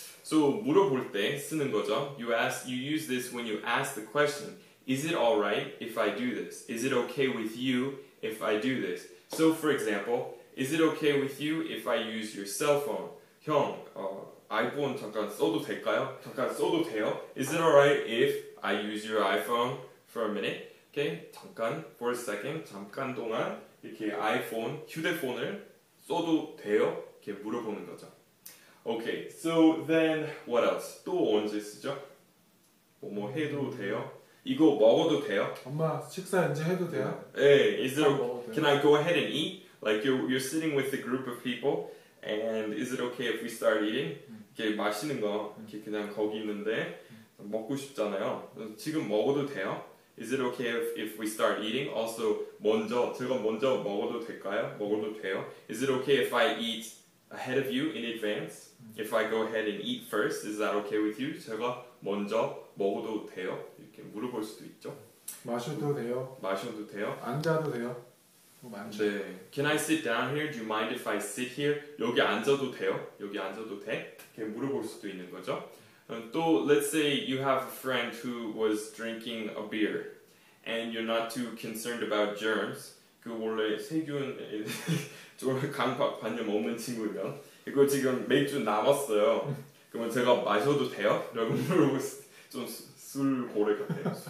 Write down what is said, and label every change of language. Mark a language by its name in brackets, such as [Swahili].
[Korean] So, 물어볼 때 쓰는 거죠. [English] You use this when you ask the question, is it alright if I do this? Is it okay with you if I do this? So, for example, is it okay with you if I use your cell phone? [Korean] 형, 아이폰 잠깐 써도 될까요? 잠깐 써도 돼요? [English] Is it alright if I use your iPhone for a minute? [Korean] Okay, 잠깐, [English] for a second, [Korean] 잠깐 동안 이렇게 아이폰, 휴대폰을 써도 돼요? 이렇게 물어보는 거죠. [English] Okay, so then what else? [Korean] 또 언제 쓰죠? 뭐 해도 돼요? 이거 먹어도 돼요? 엄마, 식사 이제 해도 돼요? [English] 네, is it, can I go ahead and eat? Like you're sitting with a group of people, and is it okay if we start eating? [Korean] 이렇게 맛있는 거, 이렇게 그냥 거기 있는데 먹고 싶잖아요. 지금 먹어도 돼요? [English] Is it okay if we start eating? [Korean] Also, 먼저, 제가 먼저 먹어도 될까요? 먹어도 돼요? [English] Is it okay if I eat ahead of you in advance? If I go ahead and eat first, is that okay with you? [Korean] 제가 먼저 먹어도 돼요? 이렇게 물어볼 수도 있죠. 마셔도 돼요? 마셔도 돼요? 앉아도 돼요? [English] 네. Can I sit down here? Do you mind if I sit here? [Korean] 여기 앉아도 돼요? 여기 앉아도 돼? 이렇게 물어볼 수도 있는 거죠. [English] 또, let's say you have a friend who was drinking a beer and you're not too concerned about germs. [Korean] 그 원래 세균, 좀 강박관념 없는 친구면 이거 지금 맥주 남았어요. 그러면 제가 마셔도 돼요? 라고 물어보고 좀 술고래 같아요.